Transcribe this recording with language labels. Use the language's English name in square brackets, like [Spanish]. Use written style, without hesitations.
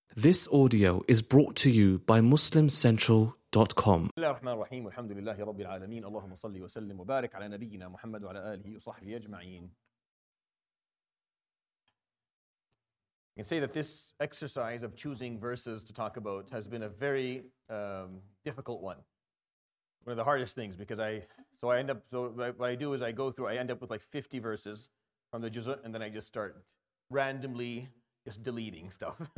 [English] This audio is brought to you by MuslimCentral.com. [Arabic] بسم الله الرحمن الرحيم والحمد لله رب العالمين اللهم صل وسلم وبارك على نبينا محمد وعلى آله وصحبه أجمعين. [English] You can say that this exercise of choosing verses to talk about has been a very difficult one. One of the hardest things because I end up with like 50 verses from the juz' and then I just start randomly just deleting stuff.